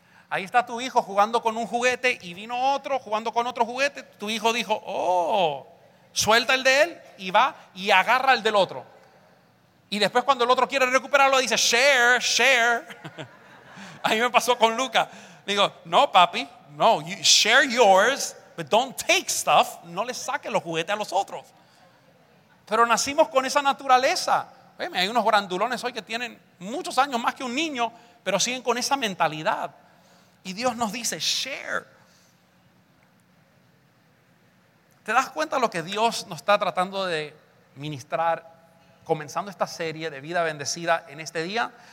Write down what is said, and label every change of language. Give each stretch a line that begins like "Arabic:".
Spanish: Ahí está tu hijo jugando con un juguete y vino otro jugando con otro juguete. Tu hijo dijo, oh, suelta el de él y va y agarra el del otro. Y después cuando el otro quiere recuperarlo dice, share, share. A mí me pasó con Luca. Digo, no papi, no,
English: you share yours, but don't take stuff.
Spanish: No le saques los juguetes a los otros. Pero nacimos con esa naturaleza. Oye, hay unos grandulones hoy que tienen muchos años más que un niño, pero siguen con esa mentalidad. Y Dios nos dice, share. ¿Te das cuenta lo que Dios nos está tratando de ministrar comenzando esta serie de Vida Bendecida en este día?